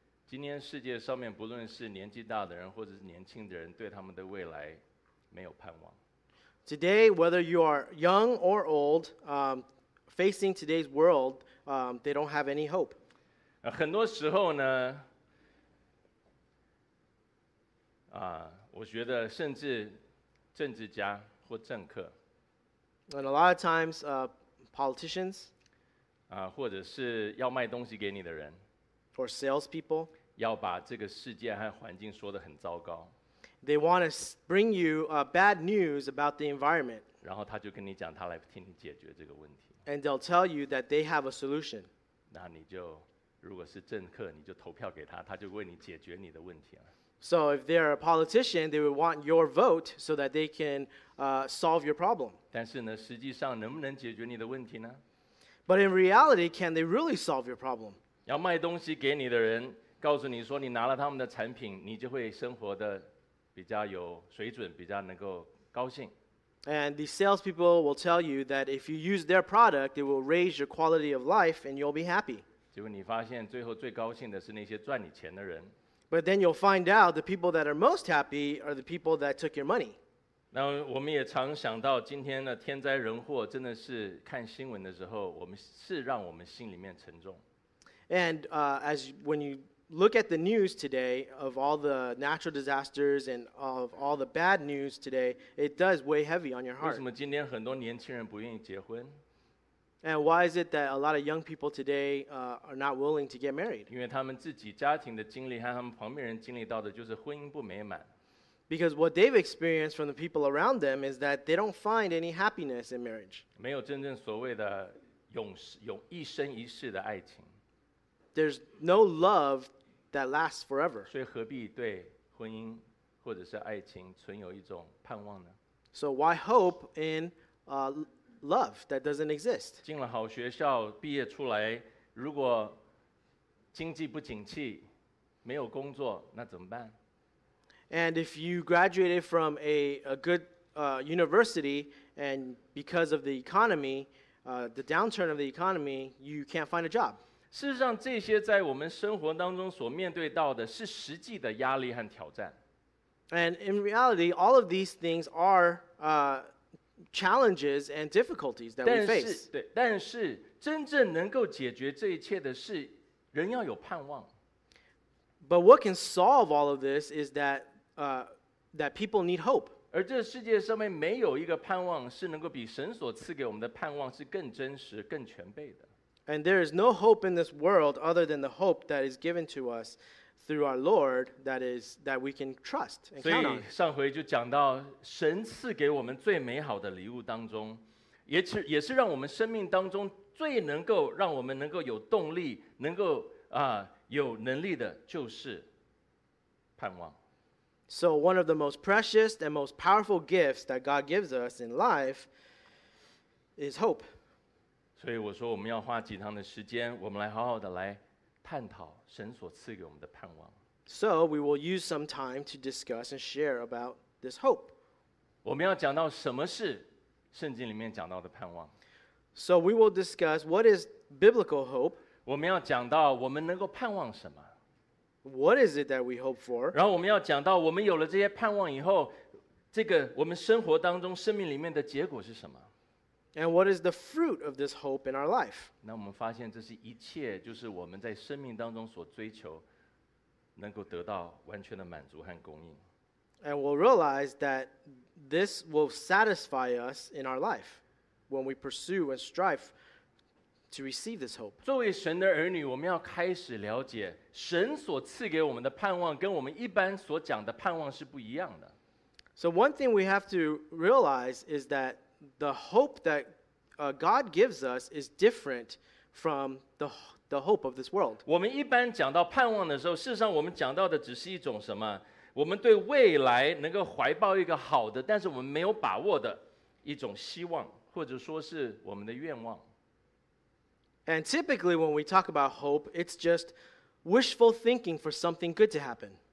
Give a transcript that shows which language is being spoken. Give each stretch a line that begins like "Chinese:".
Chinese: 今天世界上面不论是年纪大的人或者是年轻的人，对他们的未来没有盼望。
English: Today, whether you are young or old, facing today's world, they don't have any hope.
Chinese: 很多时候呢，我觉得甚至政治家或政客。
English: And a lot of times, politicians.
Chinese: 或者是要卖东西给你的人。
English: Or salespeople.
Chinese: 要把这个世界和环境说得很糟糕。
English: They want to bring you bad news about the environment.
Chinese: 然后他就跟你讲，他来替你解决这个问题。
English: And they'll tell you that they have a solution.
Chinese: 那你就，如果是政客，你就投票给他，他就为你解决你的问题了。
English: So if they're a politician, they would want your vote so that they can solve your problem.
Chinese: 但是呢，实际上能不能解决你的问题呢？
English: But in reality, can they really solve your problem?
Chinese: 要卖东西给你的人，告诉你说你拿了他们的产品，你就会生活的比较有水准，比较能够高兴。
English: And the salespeople will tell you that if you use their product, it will raise your quality of life and you'll be happy.
Chinese: 结果你发现最后最高兴的是那些赚你钱的人。
English: But then you'll find out the people that are most happy are the people that took your money.
Chinese: 那我们也常想到今天的天灾人祸，真的是看新闻的时候，我们是让我们心里面沉重。
English: And as when you look at the news today of all the natural disasters and of all the bad news today, it does weigh heavy on your heart.
Chinese: 为什么今天很多年轻人不愿意结婚？
English: And why is it that a lot of young people today are not willing to get married?
Chinese: 因为他们自己家庭的经历和他们旁边人经历到的就是婚姻不美满。
English: Because what they've experienced from the people around them is that they don't find any happiness in marriage.
Chinese: 没有真正所谓的一生一世的爱情。
English: There's no love that lasts forever.
Chinese: 所以何必对婚姻或者是爱情存有一种盼望呢？
English: So why hope in love that doesn't exist?
Chinese: 进了好学校，毕业出来，如果经济不景气，没有工作，那怎么办？
English: And if you graduated from a good university, and because of the economy, the downturn of the economy, you can't find a job.
Chinese: 事实上，这些在我们生活当中所面对到的是实际的压力和挑战。
English: And in reality, all of these things are challenges and difficulties that we face.
Chinese: 但是真正能够解决这一切的是人要有盼望。
English: But what can solve all of this is that that people need hope.
Chinese: 而这世界上面没有一个盼望是能够比神所赐给我们的盼望是更真实更全备的。
English: And there is no hope in this world other than the hope that is given to us through our Lord that we can trust and count on.
Chinese: 所以上回就讲到神赐给我们最美好的礼物当中，也是让我们生命当中最能够让我们能够有动力，能够有能力的，就是盼望。
English: So one of the most precious and most powerful gifts that God gives us in life is hope.
Chinese: 所以我说我们要花几堂的时间，我们来好好的来探讨神所赐给我们的盼望。
English: So we will use some time to discuss and share about this hope.
Chinese: 我们要讲到什么是圣经里面讲到的盼望。
English: So we will discuss what is biblical hope.
Chinese: 我们要讲到我们能够盼望什么。
English: What is it that we hope for?
Chinese: 然后我们要讲到我们有了这些盼望以后，这个我们生活当中生命里面的结果是什么。
English: And what is the fruit of this hope in our life?
Chinese: 那我们发现这是一切就是我们在生命当中所追求能够得到完全的满足和供应。
English: And we'll realize that this will satisfy us in our life when we pursue and strive to receive this hope.
Chinese: 作为神的儿女，我们要开始了解神所赐给我们的盼望跟我们一般所讲的盼望是不一样的。
English: So one thing we have to realize is thatThe hope that God gives us is different from the hope of this world.
Chinese: 我们一般讲到盼望的时候，事实上我们讲到的只是一种什么？我们对未来能够怀抱一个好的，但是我们没有把握的一种希望，或者说是我们的愿望。
English: And typically when we talk about hope, it's just wishful thinking for something good to happen.